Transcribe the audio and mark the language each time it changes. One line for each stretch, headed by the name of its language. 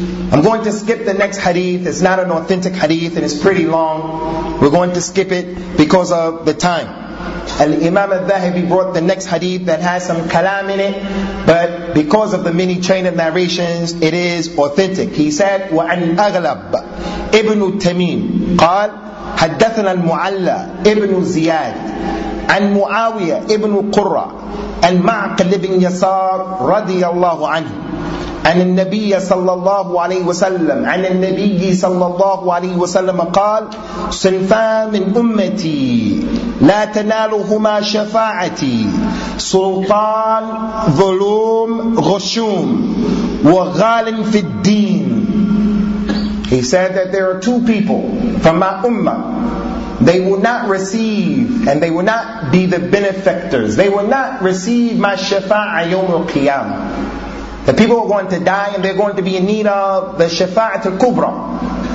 English: I'm going to skip the next hadith. It's not an authentic hadith and it's pretty long. We're going to skip it because of the time. Al-Imam al-Dhahibi brought the next hadith that has some kalam in it, but because of the many chain of narrations, it is authentic. He said,
Arabic: وَعَنْ أَغْلَبْ إِبْنُ تَمِيمٍ قَالْ حَدَّثَنَا الْمُعَلَّى إِبْنُ زِيَادٍ عَنْ مُعَاوِيَ إِبْنُ قُرَّى عَنْ مَعْقِلِ بْنِ يَسَارٍ رَضِيَ اللَّهُ عَنْهُ عن النبي صلى الله عليه وسلم عن النبي صلى الله عليه وسلم قال صنفان من أمتي لا تنالهما شفاعتي سلطان ظلوم غشوم وغال في الدين.
English: He said that there are two people from my ummah. They will not receive and they will not be the benefactors. They will not receive my shafa'a yawm al-qiyamah. The people are going to die and they're going to be in need of the Shafa'at al-Kubra.